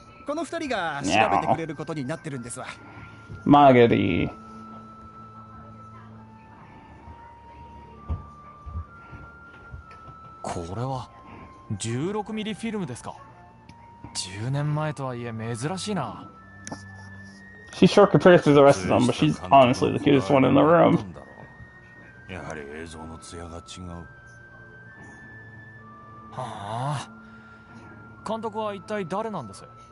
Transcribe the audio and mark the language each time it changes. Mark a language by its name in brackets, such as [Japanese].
[Japanese] この二人が調べてくれることになってるんですわ。 Magari. これは16ミリフィルムですか。10年前とはいえ珍しいな。 [English] She's short compared to the rest of them, but she's honestly the cutest one in the room. [Japanese] やはり映像の艶が違う。ああ、監督は一体誰なんです？